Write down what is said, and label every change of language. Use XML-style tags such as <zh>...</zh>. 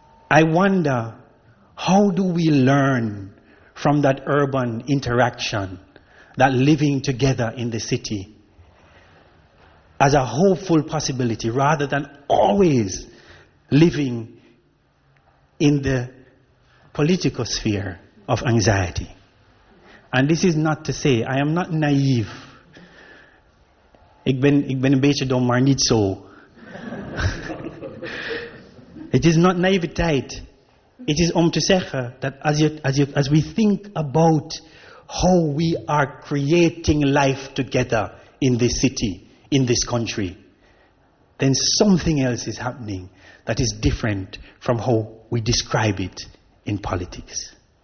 <en>I wonder, how do we learn from that urban interaction, that living together in the city, as a hopeful possibility, rather than always living in the political sphere of anxiety? And this is not to say, I am not naive.</en> <nl>Ik ben een beetje dom, maar niet zo.</nl> <en>It is not naïviteit. It is</en> <nl>om te zeggen</nl> <en>that as we think about how we are creating life together in this city, in this country, then something else is happening that is different from how we describe it in politics.</en>